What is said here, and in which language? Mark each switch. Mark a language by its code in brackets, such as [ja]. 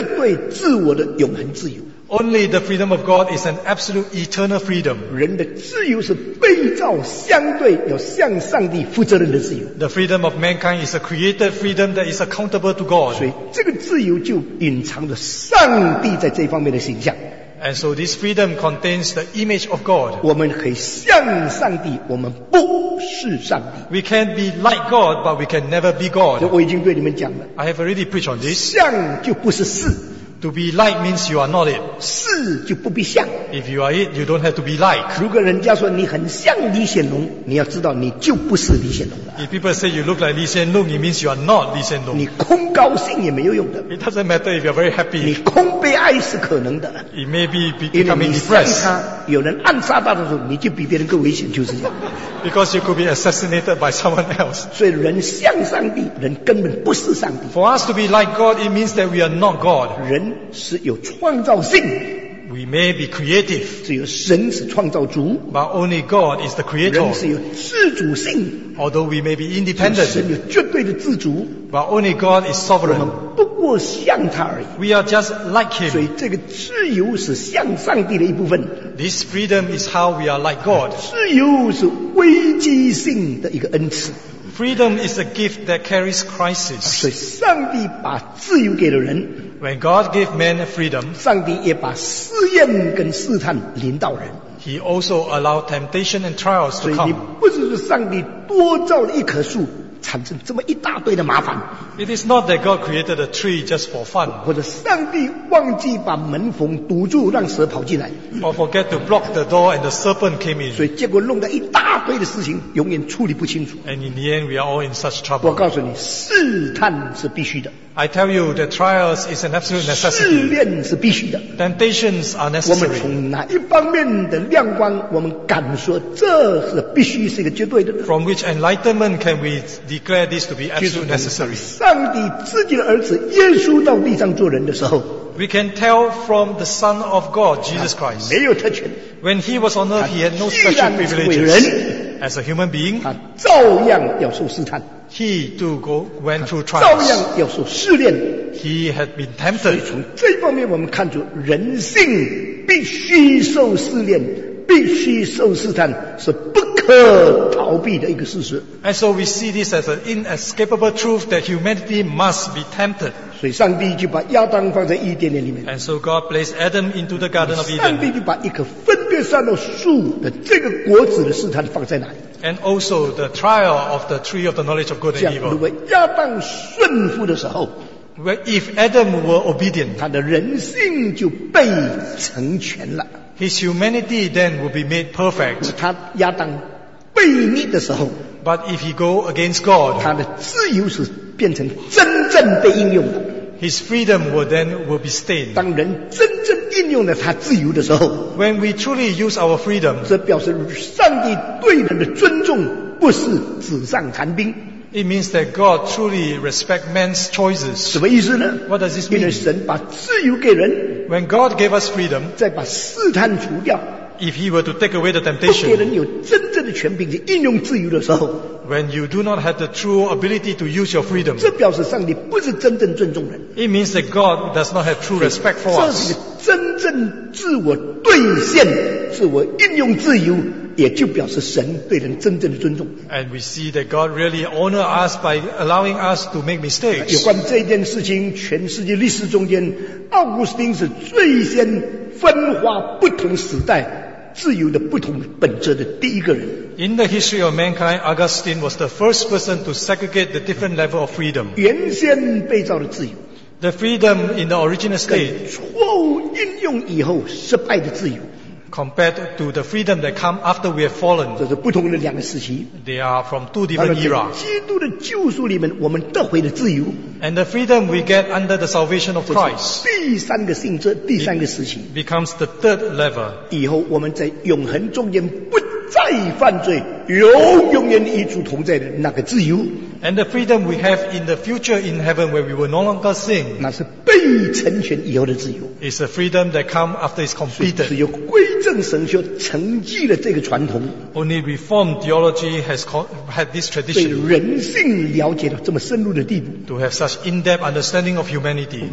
[zh] 只有神自己的自由是绝对自我的永恒自由。 [en] Only the freedom of God is an absolute eternal freedom. [zh] 人的自由是被造相对有向上帝负责任的自由。 [en] The freedom of mankind is a created freedom that is accountable to God. [zh] 所以这个自由就隐藏着上帝在这方面的形象。 [en] And so this freedom contains the image of God. [zh] 我们可以像上帝, 我们不是上帝。 [en] We can be like God, but we can never be God. [zh] 我已经对你们讲了。 [en] I have already preached on this. [zh] 像就不是是。 [en] To be like means you are not it. [zh] 是就不必像。 [en] If you are it, you don't have to be like. [zh] 如果人家说你很像李显龙, 你要知道你就不是李显龙了。 [en] If people say you look like Lee Hsien Loong, it means you are not Lee Hsien Loong. [zh] 你空高兴也没有用的。 [en] It doesn't matter if you are very happy. [zh] 你空悲哀是可能的。 [en] It may be becoming depressed. [zh] 因为你像他, 有人暗杀他的时候, 你就比别人更危险, 就是这样。 [en] Because you could be assassinated by someone else. [zh] 所以人像上帝, 人根本不是上帝。 [en] For us to be like God, it means that we are not God. [zh] 人是有创造性。 [en] We may be creative. [zh] 只有神是创造主。 [en] But only God is the creator. [zh] 人是有自主性。 [en] Although we may be independent. [zh] 神有绝对的自主。 [en] But only God is sovereign. [zh] 我们不过像他而已。 [en] We are just like him. [zh] 所以这个自由是像上帝的一部分。 [en] This freedom is how we are like God. [zh] 自由是危机性的一个恩赐。 [en] Freedom is a gift that carries crisis. [zh] 所以上帝把自由给了人。 [en] When God gave man freedom, [zh] 上帝也把试验跟试探临到人。 [en] He also allowed temptation and trials to come. [zh] 所以你不只是上帝多造了一棵树, 产生这么一大堆的麻烦。 [en] It is not that God created a tree just for fun. [zh] 或者上帝忘记把门缝堵住, 让蛇跑进来。 [en] Or forget to block the door and the serpent came in. [zh] 所以结果弄得一大堆的事情, 永远处理不清楚。 [en] And in the end, we are all in such trouble. [zh] 我告诉你, 试探是必须的。 [en] I tell you, the trials is an absolute necessity. [zh] 试炼是必须的。 [en] Temptations are necessary. [zh] 我们从哪一方面的亮光，我们敢说这是必须，是一个绝对的呢？ [en] From which enlightenment can we declare this to be absolute necessary? [zh] 上帝自己的儿子耶稣到地上做人的时候。 [en] We can tell from the Son of God, Jesus Christ. When he was on earth, he had no special privileges. As a human being, he too went through trials. He had been tempted. So from this [zh] 方面我们看出人性必须受试炼，必须受试探，是不可逃避的一个事实。 [en] And so we see this as an inescapable truth that humanity must be tempted. [zh] 所以上帝就把亚当放在伊甸园里面。 [en] And so God placed Adam into the Garden of Eden. [zh] 上帝就把一棵分别善恶树的这个果子的试探放在哪里 [en] ？And also the trial of the tree of the knowledge of good and evil. [zh] 如果亚当顺服的时候 [en] ，When if Adam were obedient， [zh] 他的人性就被成全了。 [en] His humanity then would be made perfect. [zh] 他亚当悖逆的时候 [en] ，But if he go against God， [zh] 他的自由是。变成真正被应用了。 [en] His freedom will then will be stained. [zh] 当人真正应用了他自由的时候 [en] ，When we truly use our freedom， [zh] 这表示上帝对人的尊重不是纸上谈兵。 [en] It means that God truly respects man's choices. [zh] 什么意思呢 [en] ？What does this mean？ [zh] 因为神把自由给人 [en] ，When God gave us freedom， [zh] 再把试探除掉。 [en] If he were to take away the temptation, [zh] 不给人有真正的权柄去应用自由的时候 [en] ，when you do not have the true ability to use your freedom, [zh] 这表示上帝不是真正尊重人。 [en] It means that God does not have true respect for us. [zh] 这是真正自我兑现、自我应用自由，也就表示神对人真正的尊重。 [en] And we see that God really honor us by allowing us to make mistakes. [zh] 有关这件事情，全世界历史中间，奥古斯丁是最先分化不同时代。自由的不同本质的第一个人。 [en] In the history of mankind, Augustine was the first person to segregate the different level of freedom. [zh] 原先被造的自由。 [en] The freedom in the original state. [zh] 错误应用以后失败的自由。 [en] Compared to the freedom that come after we have fallen. [zh] 这是不同的两个时期。 [en] They are from two different era. [zh] 基督的救赎里面，我们得回的自由。 [en] And the freedom we get under the salvation of Christ. [zh] 第三个性质，第三个时期。 [en] Becomes the third level. [zh] 以后我们在永恒中间不再犯罪，有永远与主同在的那个自由。 [en] And the freedom we have in the future in heaven where we will no longer sin. [zh] 那是被成全以后的自由。 [en] It's a freedom that come after it's completed. [zh] 只有归正神学承继了这个传统。 [en] Only reformed theology has had this tradition. [zh] 对人性了解到这么深入的地步。 [en] To have such in-depth understanding of humanity.